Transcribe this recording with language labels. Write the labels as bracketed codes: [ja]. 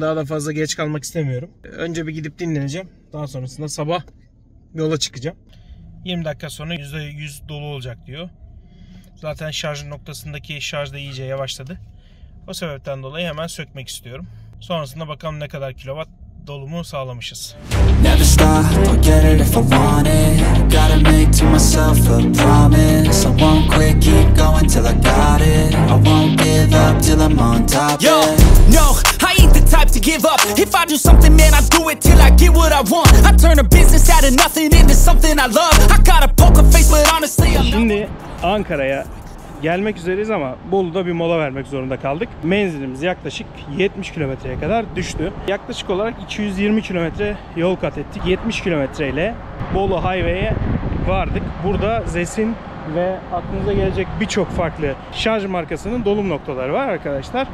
[tr] Daha da fazla geç kalmak istemiyorum. Önce bir gidip dinleneceğim. Daha sonrasında sabah yola çıkacağım. 20 dakika sonra %100 dolu olacak diyor. Zaten şarj noktasındaki şarj da iyice yavaşladı. O sebepten dolayı hemen sökmek istiyorum. Sonrasında bakalım ne kadar kilowatt dolumu sağlamışız. [en] Never stop, I'll get it if I want it. Gotta make to myself a promise. I won't quit, keep going till I got it. I won't give up till I'm on top. Yo, no, I ain't the type to give up. If I do something, man, I do it till I get what I want. I turn a business out of nothing into something I love. I got a poker face, but honestly I'm not. [tr] Şimdi Ankara'ya gelmek üzereyiz ama Bolu'da bir mola vermek zorunda kaldık. Menzilimiz yaklaşık 70 kilometreye kadar düştü. Yaklaşık olarak 220 kilometre yol kat ettik. 70 kilometre ile Bolu Highway'e vardık. Burada ZES'in ve aklınıza gelecek birçok farklı şarj markasının dolum noktaları var arkadaşlar.